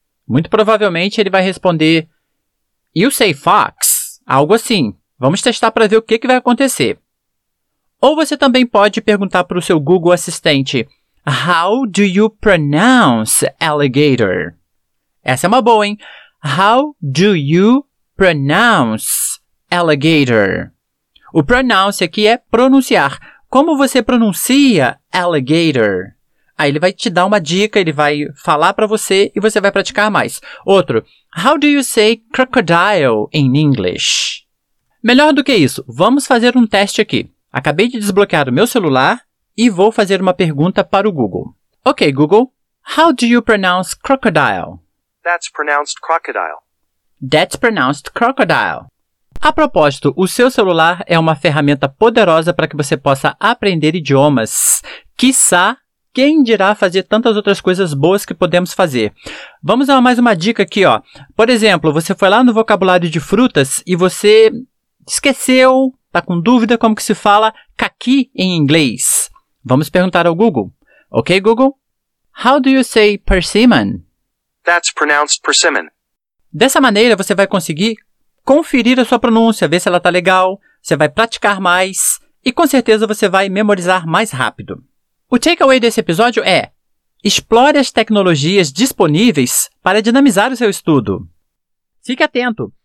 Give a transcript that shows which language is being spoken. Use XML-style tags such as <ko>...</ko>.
<pt>Muito provavelmente, ele vai responder,</pt> <en>You say fox?</en> <pt>Algo assim. Vamos testar para ver o que vai acontecer. Ou você também pode perguntar para o seu Google Assistente,</pt> <en>How do you pronounce alligator?</en> <pt>Essa é uma boa, hein?</pt> <en>How do you pronounce alligator?</en> <pt>O pronounce aqui é pronunciar. Como você pronuncia alligator? Aí ele vai te dar uma dica, ele vai falar para você e você vai praticar mais.</pt> <en>Outro, how do you say crocodile in English?</en> <pt>Melhor do que isso, vamos fazer um teste aqui. Acabei de desbloquear o meu celular e vou fazer uma pergunta para o Google.</pt> <en>Ok, Google, how do you pronounce crocodile? That's pronounced crocodile. That's pronounced crocodile.</en> <pt>A propósito, o seu celular é uma ferramenta poderosa para que você possa aprender idiomas. Quiçá, quem dirá fazer tantas outras coisas boas que podemos fazer? Vamos a mais uma dica aqui, ó. Por exemplo, você foi lá no vocabulário de frutas e você esqueceu, está com dúvida como que se fala caqui em inglês. Vamos perguntar ao Google.</pt> <en>Ok, Google? How do you say persimmon? That's pronounced persimmon.</en> <pt>Dessa maneira, você vai conseguir conferir a sua pronúncia, ver se ela está legal, você vai praticar mais e com certeza você vai memorizar mais rápido. O takeaway desse episódio é explore as tecnologias disponíveis para dinamizar o seu estudo. Fique atento!</pt>